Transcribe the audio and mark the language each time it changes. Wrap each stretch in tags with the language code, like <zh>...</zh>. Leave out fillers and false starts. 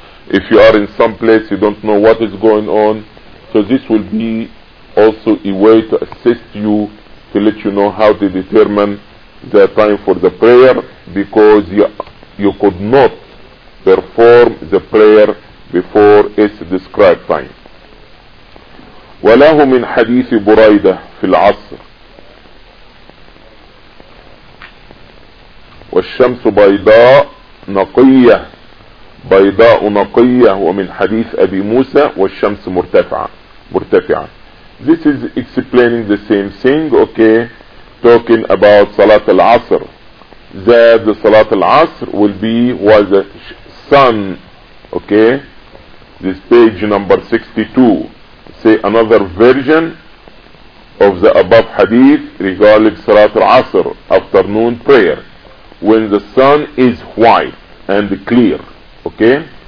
<en>If you are in some place, you don't know what is going on. So this will be also a way to assist you, to let you know how to determine the time for the prayer, because you could not perform the prayer before its described time.</en> <ar>وله من حديث بريدة في العصر والشمس بيضاء نقية بيضاء نقية ومن حديث أبي موسى والشمس مرتفعة.</ar> <en>This is explaining the same thing, okay, talking about Salat al-Asr, that the Salat al-Asr will be while the sun, okay, this page number 62. Say another version of the above hadith regarding Salat al-Asr, afternoon prayer, when the sun is white and clear, okay?</en>